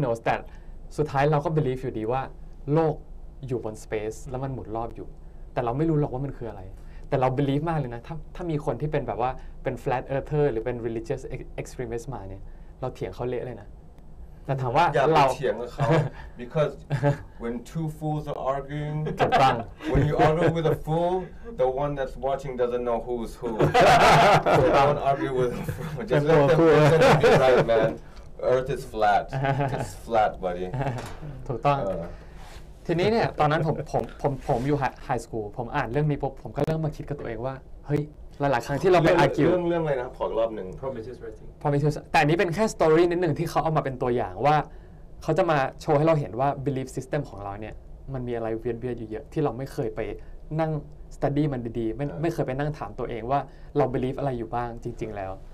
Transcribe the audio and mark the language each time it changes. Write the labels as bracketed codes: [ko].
[en] knows that [th] สุดท้ายเราก็ believe อยู่ดีว่าโลกอยู่บน space แล้วมันหมุนรอบอยู่แต่เราไม่รู้หรอกว่ามันคืออะไรแต่เรา believe มากเลยนะถ้ามีคนที่เป็นแบบว่าเป็น flat earther หรือเป็น religious extremist มาเนี่ยเราเถียงเขาเละเลยนะแต่ถามว่าเรา เถียงกับเขา [en] because when two fools are arguing when you argue with a fool the one that's watching doesn't know who's who don't argue with just let them be right man earth is flat it's flat buddy [th] ถูกต้องทีนี้เนี่ยตอนนั้นผมอยู่ไฮสคูลผมอ่านเรื่องนี้ผมก็เริ่มมาคิดกับตัวเองว่าเฮ้ยหลายๆครั้งที่เราไปอาร์กิว เรื่องอะไรนะขอรอบหนึ่ง Prometheus Rising แต่อันนี้เป็นแค่สตอรี่นิดหนึ่งที่เขาเอามาเป็นตัวอย่างว่าเขาจะมาโชว์ให้เราเห็นว่า belief system ของเราเนี่ยมันมีอะไรเวียนๆอยู่เยอะที่เราไม่เคยไปนั่ง study มันดีๆไม่เคยไปนั่งถามตัวเองว่าเรา belief อะไรอยู่บ้างจริงๆแล้ว